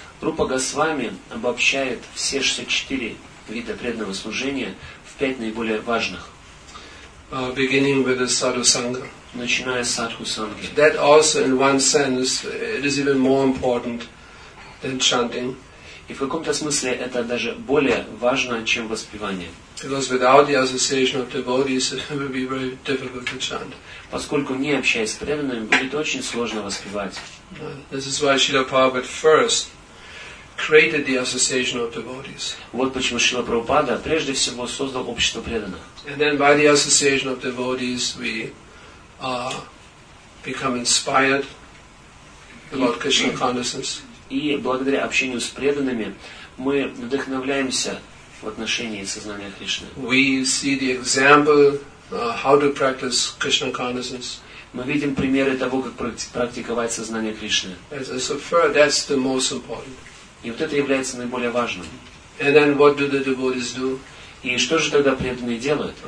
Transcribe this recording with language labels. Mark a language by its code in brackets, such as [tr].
[ru] Рупа Госвами обобщает все 64 вида преданного служения в пять наиболее важных. [en] Beginning with the Sadhu Sangha. [ru] Начиная с Садху Санги. [en] That also, in one sense, it is even more important than chanting. [ru] И в каком-то смысле это даже более важно, чем воспевание. [en] Because without the association of devotees, it would be very difficult to chant. [ru] Поскольку не общаясь с преданными, будет очень сложно воспевать. [en] This is why Srila Prabhupada first created the association of devotees. [ru] Вот почему Шрила Прабхупада прежде всего создал общество преданных. [en] And then by the association of devotees, we become inspired about Krishna consciousness. [ru] И благодаря общению с преданными мы вдохновляемся в отношении сознания Кришны. [en] We see the example how to practice Krishna consciousness. [ru] Мы видим примеры того, как практиковать сознание Кришны. [en] So far, that's the most important. [ru] И вот это является наиболее важным. [en] And then what do the devotees do? [ru] И что же тогда преданные делают?